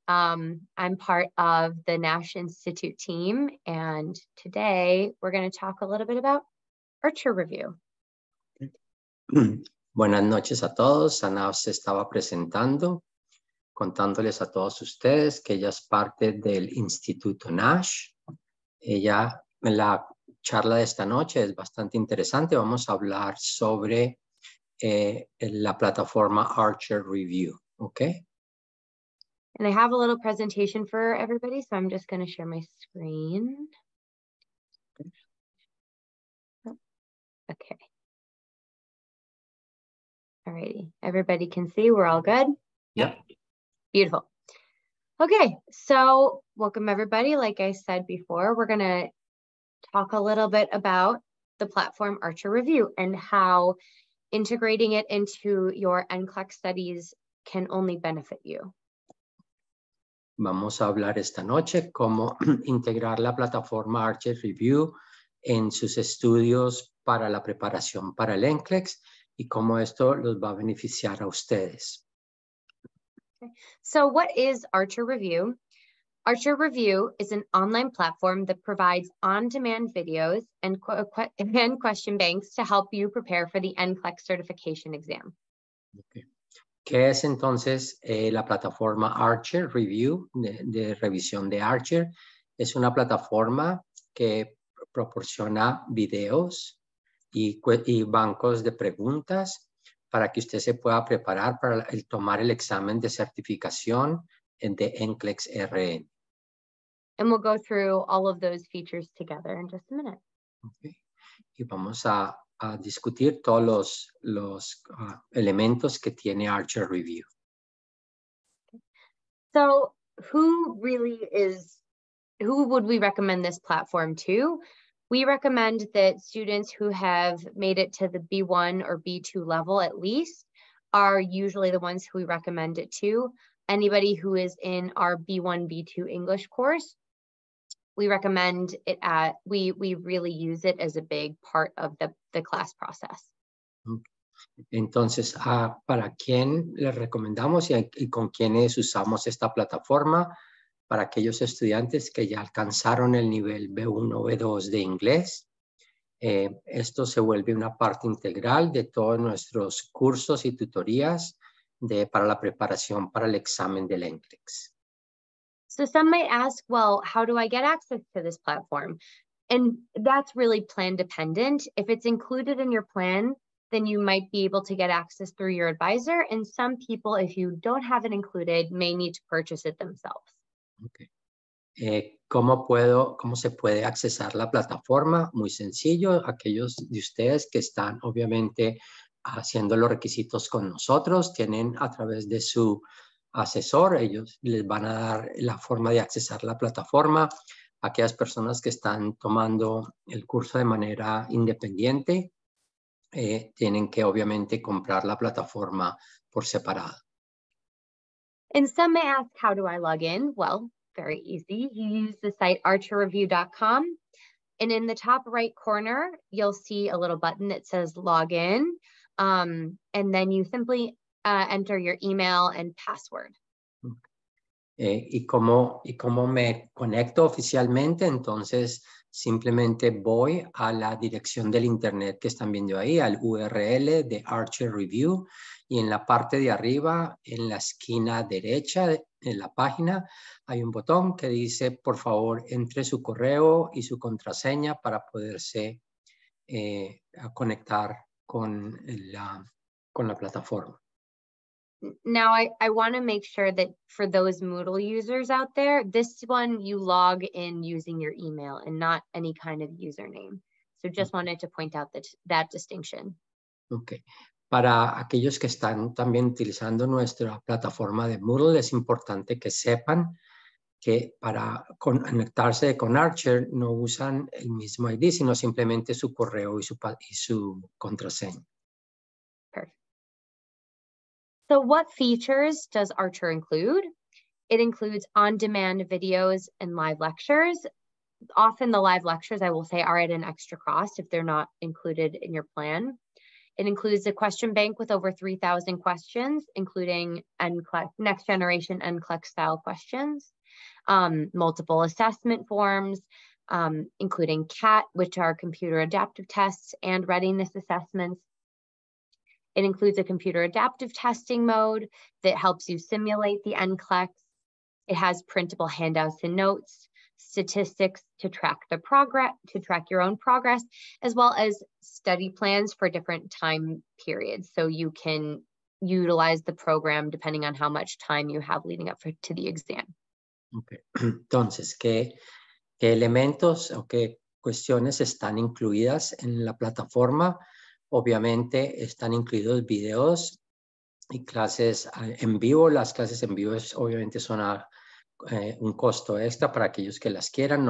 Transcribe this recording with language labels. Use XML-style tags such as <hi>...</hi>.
<en>I'm part of the Nash Institute team, and today we're going to talk a little bit about Archer Review.</en> <es>Buenas noches a todos. Anav se estaba presentando, contándoles a todos ustedes que ella es parte del Instituto Nash. Ella, la charla de esta noche es bastante interesante. Vamos a hablar sobre la plataforma Archer Review, okay?</es> <en>And I have a little presentation for everybody, so I'm just going to share my screen. Okay. All righty. Everybody can see we're all good? Yeah. Beautiful. Okay, so welcome everybody. Like I said before, we're going to talk a little bit about the platform Archer Review and how integrating it into your NCLEX studies can only benefit you.</en> <es>Vamos a hablar esta noche cómo integrar la plataforma Archer Review en sus estudios para la preparación para el NCLEX y cómo esto los va a beneficiar a ustedes.</es> <en>So what is Archer Review? Archer Review is an online platform that provides on-demand videos and question banks to help you prepare for the NCLEX certification exam. Okay.</en> <es>¿Qué es entonces la plataforma Archer Review, de revisión de Archer? Es una plataforma que proporciona videos y bancos de preguntas para que usted se pueda preparar para el tomar el examen de certificación de NCLEX RN.</es> <en>And we'll go through all of those features together in just a minute.</en> <es>Okay. Y vamos a discutir todos los elementos que tiene Archer Review.</es> <en>So who really is, who would we recommend this platform to? We recommend that students who have made it to the B1 or B2 level at least are usually the ones who we recommend it to. Anybody who is in our B1, B2 English course, we recommend it at, we really use it as a big part of the class process.</en> <es>Entonces, ¿para quién le recomendamos y con quiénes usamos esta plataforma? Para aquellos estudiantes que ya alcanzaron el nivel B1, B2 de inglés, esto se vuelve una parte integral de todos nuestros cursos y tutorías para la preparación para el examen del NCLEX.</es> <en>So some might ask, well, how do I get access to this platform? And that's really plan dependent. If it's included in your plan, then you might be able to get access through your advisor. And some people, if you don't have it included, may need to purchase it themselves.</en> <es>Okay. ¿Cómo se puede accesar la plataforma? Muy sencillo. Aquellos de ustedes que están obviamente haciendo los requisitos con nosotros, tienen a través de su asesor, ellos les van a dar la forma de accesar la plataforma. Aquellas personas que están tomando el curso de manera independiente, tienen que obviamente comprar la plataforma por separado.</es> <en>And some may ask, how do I log in? Well, very easy. You use the site archerreview.com. And in the top right corner, you'll see a little button that says log in. And then you simply enter your email and password.</en> <es>¿Y cómo me conecto oficialmente? Entonces, simplemente voy a la dirección del internet que están viendo ahí, al URL de Archer Review. Y en la parte de arriba, en la esquina derecha de la página, hay un botón que dice, por favor, entre su correo y su contraseña para poderse conectar con la plataforma.</es> <en>Now, I want to make sure that for those Moodle users out there, this one you log in using your email and not any kind of username. So just wanted to point out that distinction. Okay.</en> <es>Para aquellos que están también utilizando nuestra plataforma de Moodle, es importante que sepan que para conectarse con Archer no usan el mismo ID, sino simplemente su correo y su contraseña.</es> <en>Perfect. So what features does Archer include? It includes on-demand videos and live lectures. often the live lectures, I will say, are at an extra cost if they're not included in your plan. It includes a question bank with over 3,000 questions, including next generation NCLEX style questions, multiple assessment forms, including CAT, which are computer adaptive tests, and readiness assessments. It includes a computer adaptive testing mode that helps you simulate the NCLEX. It has printable handouts and notes, statistics to track the progress, to track your own progress, as well as study plans for different time periods. So you can utilize the program depending on how much time you have leading up to the exam. Okay.</en> <es>Entonces, ¿qué elementos o qué cuestiones están incluidas en la plataforma? Obviamente están incluidos videos y clases en vivo. Las clases en vivo obviamente son un costo extra para aquellos que las quieran.</es>